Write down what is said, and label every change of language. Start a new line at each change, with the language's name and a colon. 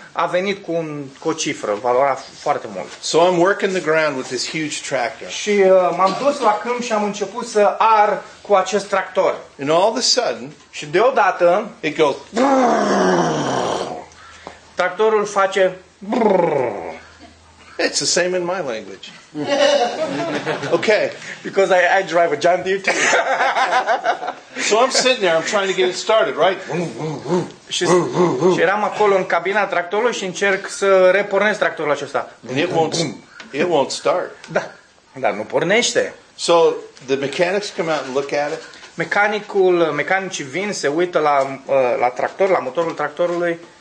Romanian: A venit cu o cifră, valora foarte mult.
English: So I'm working the ground with this huge tractor.
Romanian: Și m-am dus la câmp și am început să ar cu acest tractor.
English: And all of a sudden,
Romanian: și deodată,
English: it goes.
Romanian: Tractorul face.
English: It's the same in my language. Okay, because I drive a John Deere too. So I'm sitting there, I'm trying to get it started, right?
Romanian: Și eram acolo în cabina tractorului și încerc să repornesc tractorul acesta.
English: It won't start.
Romanian: Dar nu pornește.
English: So the mechanics come out and look at it.
Romanian: Mecanicii vin, se uită la tractor, la motorul tractorului.